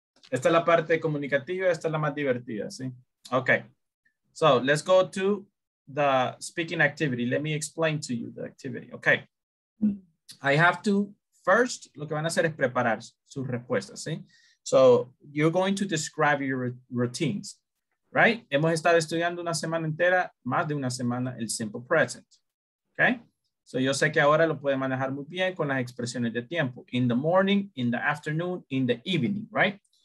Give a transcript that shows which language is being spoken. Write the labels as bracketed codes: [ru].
[es] Esta es la parte comunicativa, esta es la más divertida, ¿sí? [en] Okay, so let's go to the speaking activity. Let me explain to you the activity. Okay, I have to first, [es] lo que van a hacer es preparar sus respuestas, ¿sí? [en] So you're going to describe your routines, right? [es] Hemos estado estudiando una semana entera, más de una semana, el simple present, okay? So yo sé que ahora lo pueden manejar muy bien con las expresiones de tiempo. [en] In the morning, in the afternoon, in the evening, right?